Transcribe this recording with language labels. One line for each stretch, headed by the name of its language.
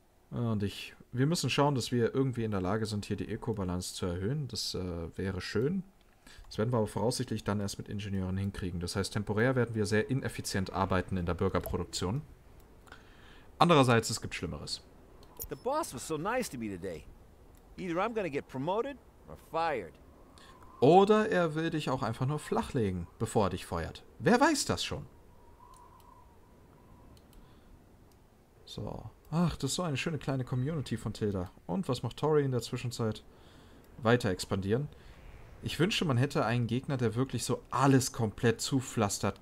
German: Und wir müssen schauen, dass wir irgendwie in der Lage sind, hier die Ökobalance zu erhöhen. Das wäre schön. Das werden wir aber voraussichtlich dann erst mit Ingenieuren hinkriegen. Das heißt, temporär werden wir sehr ineffizient arbeiten in der Bürgerproduktion. Andererseits, es gibt Schlimmeres.
English: The boss was so nice to me today. Either I'm gonna get promoted or fired.
German: Oder er will dich auch einfach nur flachlegen, bevor er dich feuert. Wer weiß das schon? So. Ach, das ist so eine schöne kleine Community von Tilda. Und was macht Tori in der Zwischenzeit? Weiter expandieren. Ich wünschte, man hätte einen Gegner, der wirklich so alles komplett zupflastert.